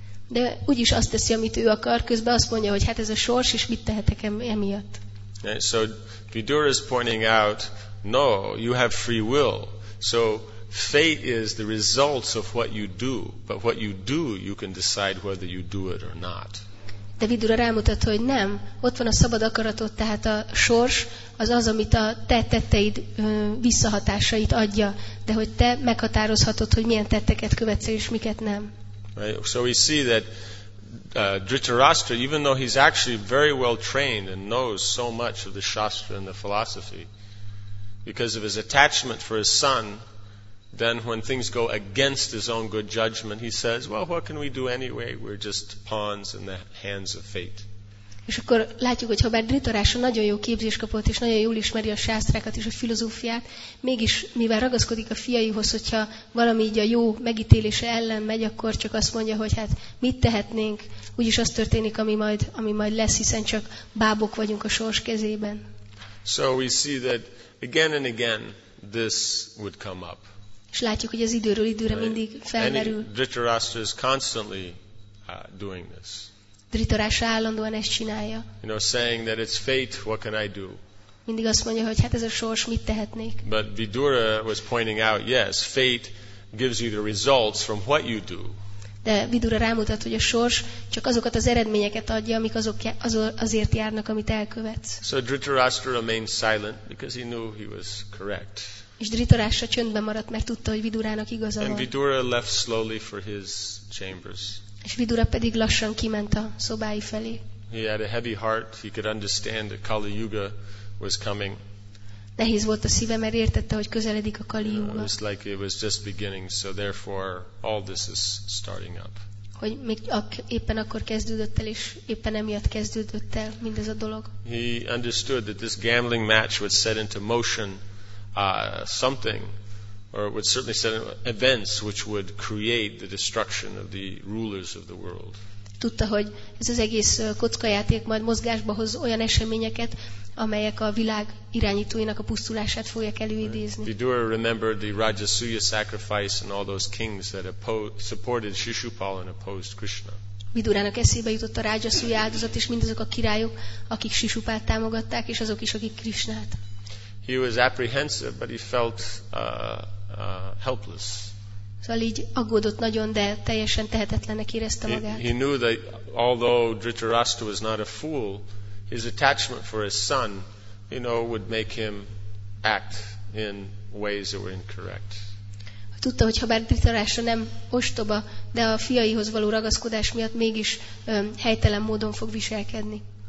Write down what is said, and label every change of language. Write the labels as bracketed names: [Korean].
[Hungarian] De úgyis azt teszi, amit ő akar. Közben azt mondja, hogy hát ez a sors, és mit tehetek emiatt? [English] Okay, so Vidura is pointing out, no, you have free will. So fate is the results of what you do. But what you do, you can decide whether you do it or not. [Hungarian] De Vidura rámutat, hogy nem, ott van a szabad akaratod, tehát a sors az az, amit a te tetteid visszahatásait adja, de hogy te meghatározhatod, hogy milyen tetteket követsz és miket nem. [English] Right. So we see that Dhritarashtra, even though he's actually very well trained and knows so much of the Shastra and the philosophy, because of his attachment for his son, then when things go against his own good judgment, he says, well, what can we do anyway? We're just pawns in the hands of fate. [Hungarian] És akkor látjuk, hogy ha bár Dhritarashtra nagyon jó képzést kapott, és nagyon jól ismeri a sásztrákat és a filozófiát, mégis mivel ragaszkodik a fiaihoz, hogyha valami így a jó megítélése ellen megy, akkor csak azt mondja, hogy hát mit tehetnénk, úgyis az történik, ami majd lesz, hiszen csak bábok vagyunk a sors kezében. [English] So we see that again and again this would come up. [Hungarian] És látjuk, hogy az időről időre right. Mindig felmerül. [English] Dhritarashtra is constantly doing this. [Hungarian] Dhritarashtra állandóan ezt csinálja. [English] You know, saying that it's fate, what can I do? [Hungarian] Mindig azt mondja, hogy hát ez a sors, mit tehetnék? [English] But Vidura was pointing out, yes, fate gives you the results from what you do. [Hungarian] De Vidura rámutat, hogy a sors csak azokat az eredményeket adja, amik azért járnak, amit elkövetsz. [English] So Dhritarashtra remained silent because he knew he was correct. [Hungarian] És Dhritarashtra csöndben maradt, mert tudta, hogy Vidurának igaza van. [English] And Vidura left slowly for his chambers. [Hungarian] És Vidura pedig lassan kiment a szobái felé. [English] He had a heavy heart. He could understand that Kali Yuga was coming. [Hungarian] Nehéz volt a szíve, mert értette, hogy közeledik a Kali Yuga. [English] It was like it was just beginning, so therefore all this is starting up. [Hungarian] Hogy még éppen akkor kezdődött el, és éppen emiatt kezdődött el mindez a dolog. [English] He understood that this gambling match would set into motion something, or it would certainly set events which would create the destruction of the rulers of the world. [Hungarian] Tudta, hogy ez az egész kockajáték majd mozgásba hoz olyan eseményeket, amelyek a világ irányítóinak a pusztulását fogják előidézni. [English] Vidura remembered the Rajasuya sacrifice and all those kings that supported Shishupal and opposed Krishna. [Hungarian] Vidurának eszébe jutott a Rajasuya áldozat és mindazok a királyok, akik Shishupal támogatták és azok is, akik Krishnát. [English] He was apprehensive, but he felt helpless. [Hungarian] Szóval így aggódott nagyon, de teljesen tehetetlennek érezte magát. [English] He knew that although Dhritarashtra was not a fool, his attachment for his son, you know, would make him act in ways that were incorrect. [Hungarian] Tudta, hogy ha bár Dhritarashtra nem ostoba, de a fiaihoz való ragaszkodás miatt mégis helytelen módon fog viselkedni.